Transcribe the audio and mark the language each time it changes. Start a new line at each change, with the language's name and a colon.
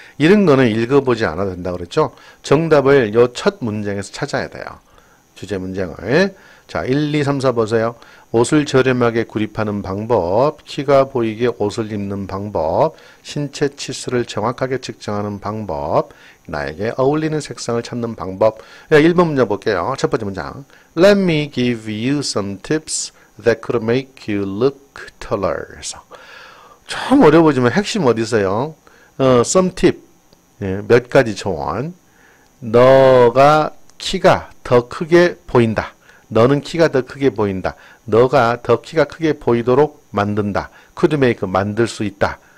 Korean: 이런 거는 읽어보지 않아도 된다고 그랬죠? 정답을 요첫 문장에서 찾아야 돼요. 주제 문장을. 자, 1, 2, 3, 4 보세요. 옷을 저렴하게 구입하는 방법, 키가 보이게 옷을 입는 방법, 신체 치수를 정확하게 측정하는 방법, 나에게 어울리는 색상을 찾는 방법. 야, 1번 문장 볼게요. 첫 번째 문장.
English: Let me give you some tips that could make you look taller.
Korean: 참 어려워 보이지만 핵심 어디세요?
English: Some tip.
Korean: 예, 몇 가지 조언. 너가 키가 더 크게 보인다. 너는 키가 더 크게 보인다. 너가 더 키가 크게 보이도록 만든다.
English: Could make
Korean: 만들 수 있다.